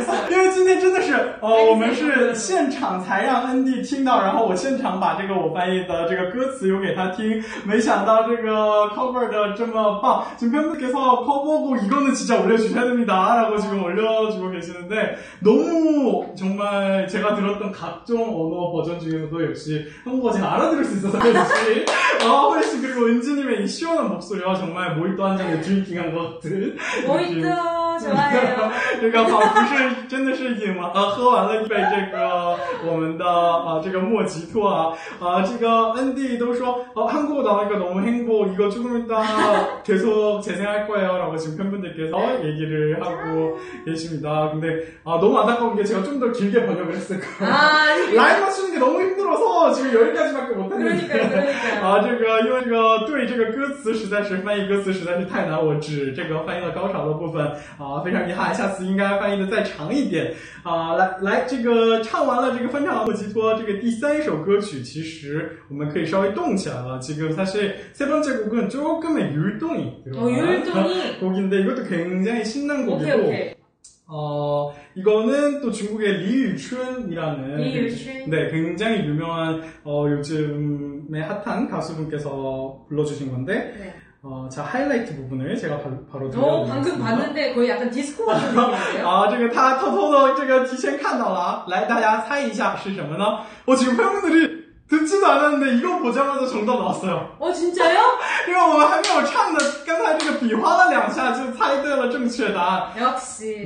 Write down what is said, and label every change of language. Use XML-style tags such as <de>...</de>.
<zh>因为今天真的是我们是现场才让恩迪听到然后我现场把这个我翻译的这个歌词又给他听没想到这个 cover的这么棒</zh> <ko>지금 팬분께서 커버고 이거는 진짜 올려주셔야 됩니다 라고 지금 올려주고 계시는데 너무 정말 제가 들었던 각종 언어 버전 중에서도 역시 한국어 제가 알아들을 수 있어서 역시 훨씬 그리고 은지님의 이 시원한 목소리와 정말 모히또 한 잔에 드링킹한 것 같은 모히또 좋아요. 그러니까</ko> <zh>仿佛是真的是饮了喝完了一杯这个我们的这个莫吉托这个 ND 都说</zh> <ko>한국어나이가너무행복이거조금있다계속재생할거예요라고지금팬분들께서얘기를하고계십니다근데너무안타까운게제가좀더길게번역을했을까라이브맞추는게너무힘들어서지금10가지밖에못했는데 그러니까</ko> <zh>这个因为这个对这个歌词实在是翻译歌词实在是太难，我只这个翻译了高潮的部分非常遗憾，下次应该翻译的再长一点来这个唱完了这个翻唱莫吉托这个第三首歌曲，其实我们可以稍微动起来了。</zh> <ko>지금사실세번째곡은조금의율동이 율동이 곡인데이것도굉장히신난곡이고</ko> <en>okay, okay.</en> <ko>이거는또중국의리유춘이라는 리유춘 네굉장히유명한요즘에핫한가수분께서불러주신건데 네 자하이라이트부분을제가바로들려드리 겠습니다방금봤는데거의약간디스코같은느낌이에요</ko> <zh>这个他偷偷的这个提前看到了，来大家猜一下是什么呢？我请朋友们</zh> <ko>듣지도않았는데이거보자마자정답나왔어요 진짜요</ko> <zh>因为我们还没有唱的刚才这个比划了两下就猜对了正确答案</zh> <ko>역시</ko>